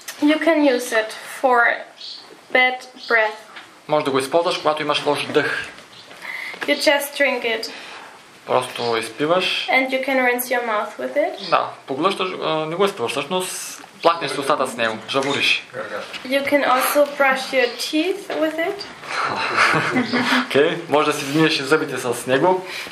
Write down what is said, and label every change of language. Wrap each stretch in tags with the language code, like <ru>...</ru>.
<en>You can use it for bad breath.</en> <bg>Може да го използваш, когато имаш лош дъх.</bg> <en>You just drink it.</en> <bg>Просто изпиваш.</bg> <en>And you can rinse your mouth with it.</en> <bg>Да, поглъщаш, не го изпиваш, всъщност плакнеш устата с него, жавуриш.</bg> <en>You can also brush your teeth with it.</en> <bg>Окей, може да си измиеш и зъбите с него.</bg>